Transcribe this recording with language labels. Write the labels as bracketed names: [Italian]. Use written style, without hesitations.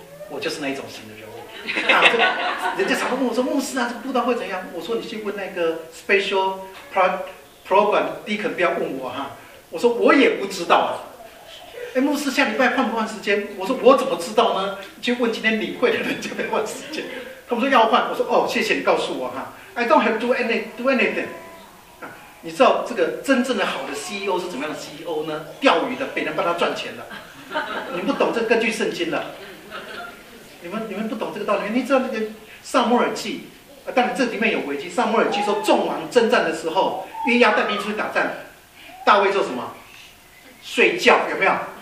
[Chinese] 我就是那一种型的人物。人家常常问我说：“牧师啊，这布道会怎样？” 我说：“你去问那个 [English] special program deacon， [Chinese] 不要问我哈。” 我说：“我也不知道啊。” 哎，牧师下礼拜换不换时间？我说：“我怎么知道呢？去问今天领会的人就没换时间。” 他们说要换，我说哦，谢谢你告诉我哈。 [English] I don't have to do anything、啊。 [Chinese] 你知道这个真正的好的 CEO 是怎么样的 CEO 呢？钓鱼的，别人帮他赚钱了。你不懂这根据圣经了。你们不懂这个道理。你知道那个撒母耳记，但这里面有危机。撒母耳记说，众王征战的时候，约押带兵出去打仗，大卫做什么？睡觉，有没有？